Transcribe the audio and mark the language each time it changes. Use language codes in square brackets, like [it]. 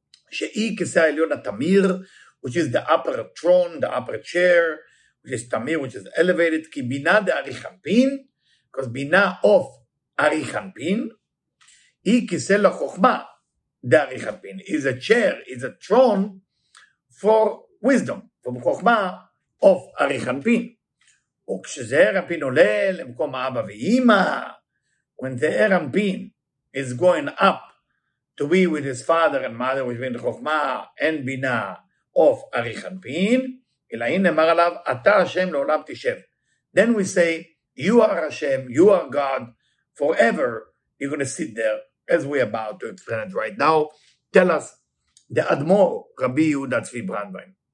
[he] She'i kisei elyon ha-tamir, [en] which is the upper throne, the upper chair, which is tamir, which is elevated, [he] ki bina de Arich Anpin, [en] because bina of Arich Anpin, [he] hi kisei la-chokhma de Arich Anpin, [en] is a chair, is a throne for wisdom, from chokhma of Arich Anpin. [he] וכשזהרמפין עולה למקום האבא ואימא, [en] when the הרמפין is going up to be with his father and mother, which means חוכמה and בינה of הרמפין, [he] אלא הנה אמר עליו, אתה השם לעולם תשב. [en] Then we say, you are השם, you are God, forever you're going to sit there, as we're about to explain it right now. Tell us, the אדמו"ר, רבי יהודה צבי ברנדווין.